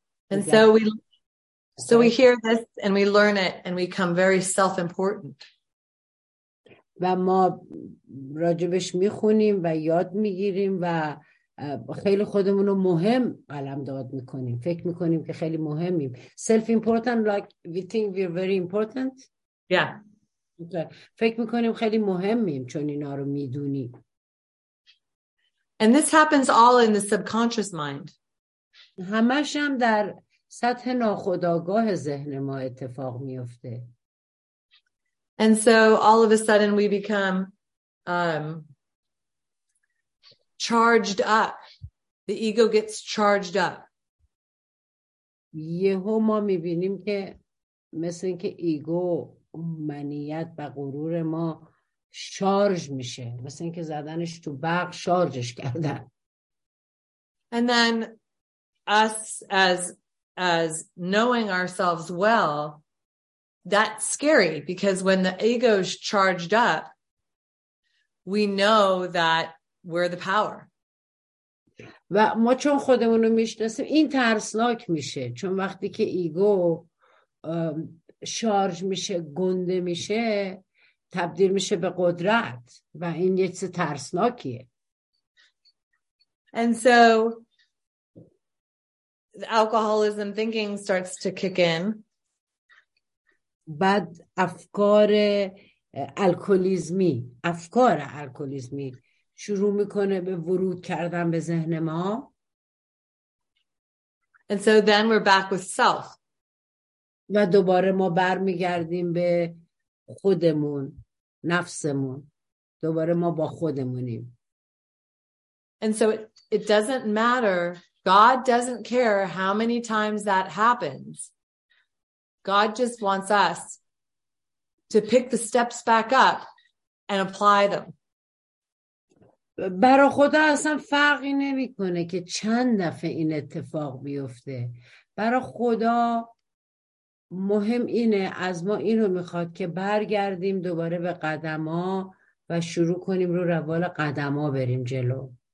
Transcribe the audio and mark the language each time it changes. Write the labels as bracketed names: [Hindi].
[English] And so we hear this and we learn it and we become very self-important. [Persian] و ما راجبش میخونیم و یاد میگیریم و خیلی خودمونو مهم قلمداد میکنیم، فکر میکنیم که خیلی مهمیم. [English] Self-important, like we think we're very important. Yeah. [Persian] فکر میکنیم خیلی مهمیم چون اینا رو میدونیم. [English] And this happens all in the subconscious mind. [Persian] همش هم در سطح ناخودآگاه ذهن ما اتفاق میفته. [English] And so all of a sudden we become charged up. The ego gets charged up. [Persian] یهو ما میبینیم که مثل اینکه ایگو، منیت و غرور ما شارژ میشه. مثل اینکه زدنش تو برق شارژش کردن. [English] And then us as knowing ourselves well, that's scary, because when the ego's charged up, we know that we're the power. [Persian] و ما چون خودمون رو میشناسیم این ترسناک میشه، چون وقتی که ایگو شارژ میشه، گنده میشه، تبدیل میشه به قدرت و این یه چیز ترسناکیه. [English] And so the alcoholism thinking starts to kick in. [Persian] بعد افکار الکلیزمی، افکار الکلیزمی شروع میکنه به ورود کردن به ذهن ما. [English] And so then we're back with self. [Persian] و دوباره ما برمیگردیم به خودمون، نفسمون. دوباره ما با خودمونیم. [English] And so it doesn't matter. God doesn't care how many times that happens. God just wants us to pick the steps back up and apply them. [Persian] برای خدا اصلا فرقی نمیکنه که چند دفعه این اتفاق بیفته. برای خدا مهم اینه، از ما اینو میخواد که برگردیم دوباره به قدما و شروع کنیم رو روال قدما بریم جلو.